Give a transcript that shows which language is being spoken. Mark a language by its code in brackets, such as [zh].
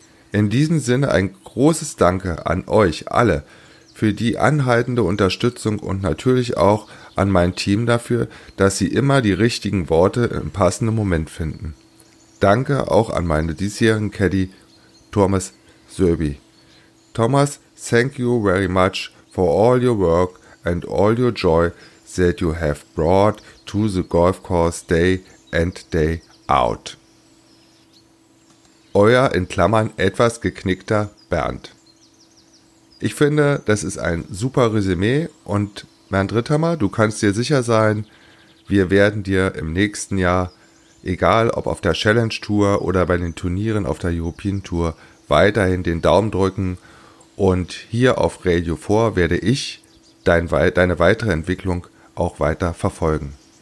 [de] In diesem Sinne ein großes Danke an euch alle für die anhaltende Unterstützung und natürlich auch an mein Team dafür, dass sie immer die richtigen Worte im passenden Moment finden. Danke auch an meine diesjährigen Caddy Thomas Söbi. [en] Thomas, thank you very much for all your work and all your joy that you have brought to the golf course day and day out. [de] Euer in Klammern etwas geknickter Bernd. Ich finde, das ist ein super Resümee, und Bernd Ritthammer, du kannst dir sicher sein, wir werden dir im nächsten Jahr, egal ob auf der Challenge Tour oder bei den Turnieren auf der European Tour, weiterhin den Daumen drücken, und hier auf Radio 4 werde ich deine weitere Entwicklung auch weiter verfolgen.